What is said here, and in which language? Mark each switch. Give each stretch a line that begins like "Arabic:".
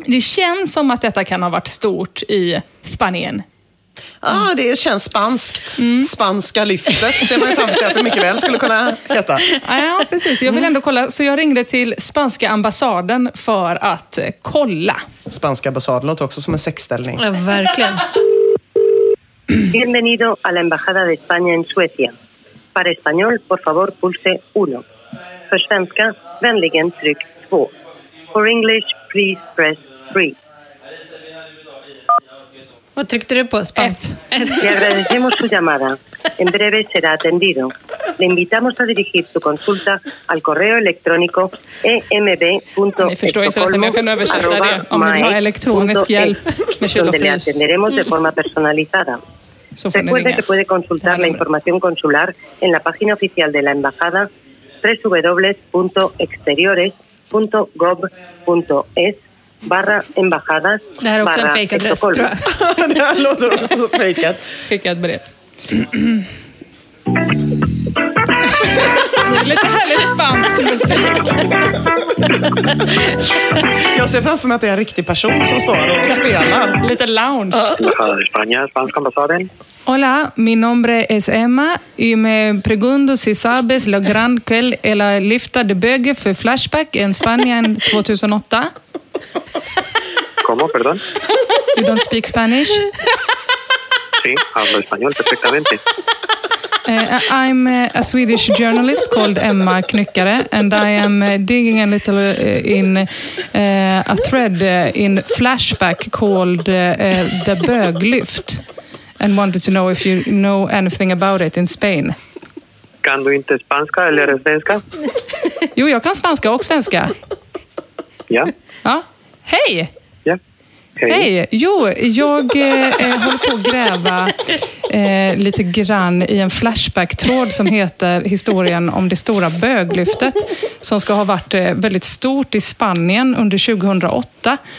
Swedish: Det känns som att detta kan ha varit stort i Spanien. Ja, det känns spanskt. Spanska lyftet, ser man ju framför sig att det mycket väl skulle kunna heta. Ja, precis. Jag vill ändå kolla. Så jag ringde till spanska ambassaden för att kolla. Spanska ambassaden låter också som en sexställning. Ja, verkligen.
Spanish: Bienvenido a la embajada de España en Suecia. Para español, por favor, pulse 1.
Swedish: För svenska, vänligen tryck 2.
English: For English, please press 3.
Swedish: Vad tryckte du på? Spant.
Spanish: Le agradecemos su llamada. En breve será atendido. Le invitamos a dirigir su consulta al correo electrónico emb.estocolmo@my.se, donde le atenderemos de forma personalizada. Recuerde que puede consultar la información consular en la página oficial de la embajada www.exteriores.gov.es/embajadas.
Swedish: Det här är också en fejkad röst, tror jag. Det här låter också så fejkat. Fejkat brev. Lite härlig spansk musik. Jag ser framför mig att det är en riktig person som står och spelar. Lite lounge. España, spanska ambassaden.
Spanish: Hola, mi nombre es Emma y me pregunto si sabes la gran
Swedish: kväll eller lyfta
Spanish: de böge för Flashback en Spanien 2008. ¿Cómo, perdón?
English: You don't speak Spanish?
Spanish: Sí, hablo español perfectamente.
English: I'm a Swedish journalist called Emma Knyckare, and I am digging a little in a thread in Flashback called The Böglyft, and wanted to know if you know anything about it in Spain.
Swedish: Kan du inte spanska eller svenska? Jo, jag kan spanska och svenska. Ja. Ja. Hej! Ja. Hej. Hej. Jo, jag håller på att gräva lite grann i en flashback-tråd som heter Historien om det stora böglyftet, som ska ha varit väldigt stort i Spanien under 2008.